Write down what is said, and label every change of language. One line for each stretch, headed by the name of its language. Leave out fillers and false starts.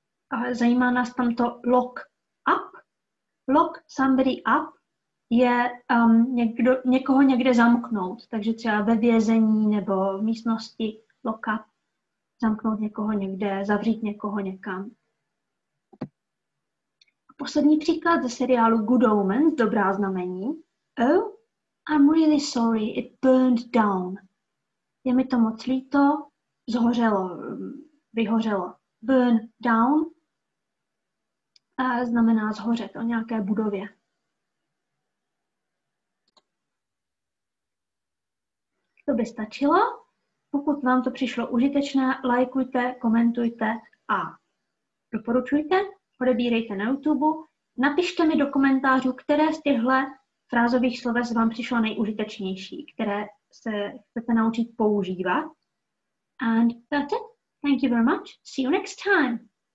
Czech: A zajímá nás tam to lock up. Lock somebody up je někoho někde zamknout, takže třeba ve vězení nebo v místnosti lock up, zamknout někoho někde, zavřít někoho někam. Poslední příklad ze seriálu Good Omens, dobrá znamení.
English: Oh, I'm really sorry, it burned down.
Czech: Je mi to moc líto, zhořelo, vyhořelo. Burn down znamená zhořet o nějaké budově. To by stačilo. Pokud vám to přišlo užitečné, lajkujte, komentujte a doporučujte, odebírejte na YouTube, napište mi do komentářů, které z těchto frázových sloves vám přišlo nejužitečnější, které se chcete naučit používat.
English: And that's it. Thank you very much. See you next time.